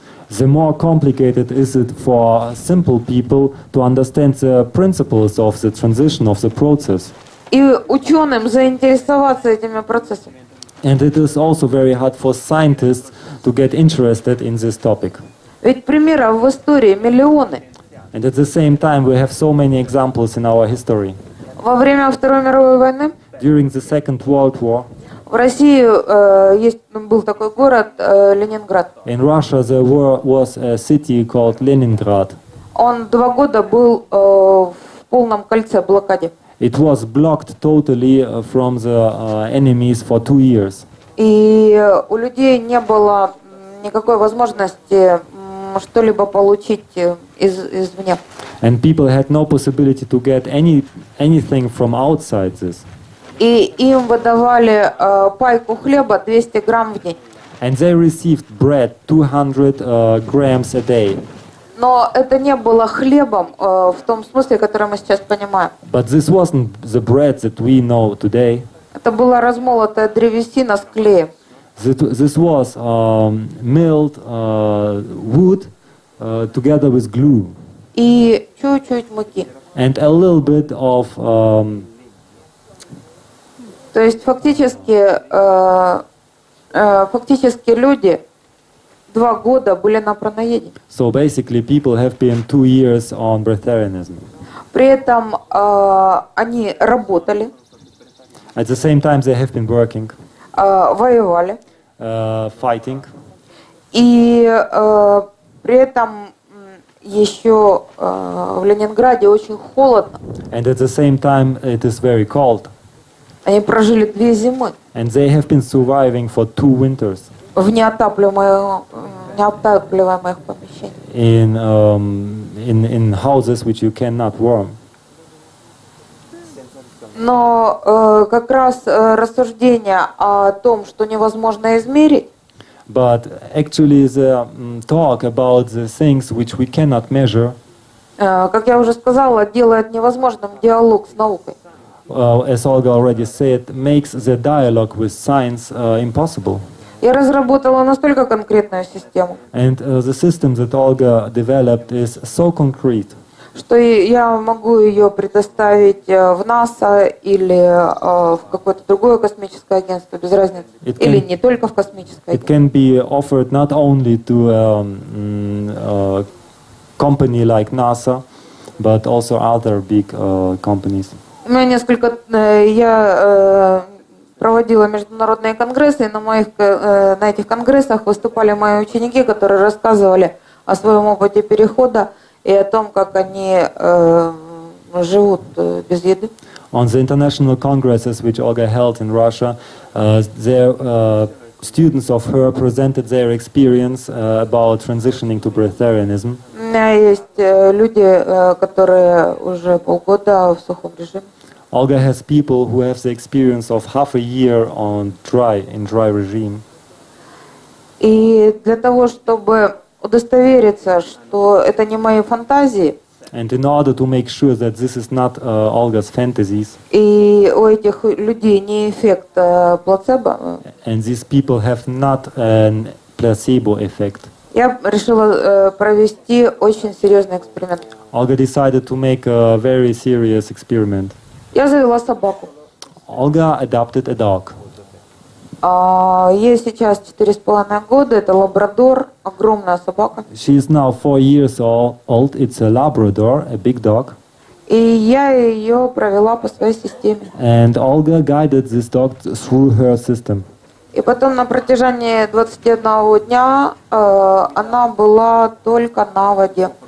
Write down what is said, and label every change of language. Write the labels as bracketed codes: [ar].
[en] The more complicated is it for simple people to understand the principles of the transition of the process. [ru] И ученым заинтересоваться этими процессами. [en] And it is also very hard for scientists to get interested in this topic. [ru] Ведь примеров в истории миллионы. [en] And at the same time we have so many examples in our history. [ru] Во время Второй мировой войны. [en] During the Second World War. [ru] В России был такой город Ленинград. [en] In Russia there was a city called Leningrad. [ru] Он два года был в полном кольце блокаде. [en] It was blocked totally from the enemies for 2 years. [ru] И у людей не было никакой возможности что-либо получить извне. [en] And people had no possibility to get anything from outside this. [ru] И им выдавали пайку хлеба 200 грамм в день. [en] And they received bread 200 grams a day. [ru] Но это не было хлебом в том смысле, который мы сейчас понимаем. [en] But this wasn't the bread that we know today. [ru] Это была размолотая древесина с клеем. [en] This was milled wood together with glue. [ru] И чуть-чуть муки. [en] And a little bit of [ru] То есть фактически люди 2 года были на праноеде. [en] So basically people have been 2 years on breatharianism. [ru] При этом они работали. [en] At the same time they have been working. [ru] Воевали. [en] Fighting. [ru] И при этом еще в Ленинграде очень холодно. [en] And at the same time it is very cold. [ru] Они прожили 2 зимы. [en] And they have been surviving for 2 winters. [ru] В неотапливаемых помещениях. [en] In houses which you cannot warm. [ru] Но как раз рассуждение о том, что невозможно измерить. [en] But actually the talk about the things which we cannot measure. [ru] Как я уже сказала, делает невозможным диалог с наукой. [en] As Olga already said, makes the dialogue with science impossible. [ru] Я разработала настолько конкретную систему. [en] And the system that Olga developed is so concrete. [ru] Что я могу ее предоставить в НАСА или в какое-то другое космическое агентство, без разницы. Или не только в космическое агентство. [en] It can be offered not only to a company like NASA, but also other big companies. [ru] У меня несколько я проводила международные конгрессы, и на этих конгрессах выступали мои ученики, которые рассказывали о своем опыте перехода и о том, как они живут без еды. [en] On the international congresses which Olga held in Russia, their students of her presented their experience about transitioning to breatharianism. [ru] У меня есть люди, которые уже полгода в сухом режиме. [en] Olga has people who have the experience of half a year on dry regime. [ru] И для того, чтобы удостовериться, что это не мои фантазии. [en] And in order to make sure that this is not Olga's fantasies. [ru] И у этих людей не эффект плацебо. [en] And these people have not a placebo effect. [ru] Я решила провести очень серьезный эксперимент. [en] Olga decided to make a very serious experiment. [ru] Я завела собаку. [en] Olga adopted a dog. [ru] Ей сейчас 4.5 года. Это лабрадор, огромная собака. [en] She is now 4 years old. It's a Labrador, a big dog. [ru] И я ее провела по своей системе. [en] And Olga guided this dog through her system. [ru] И потом на протяжении 21 дня она была только на воде.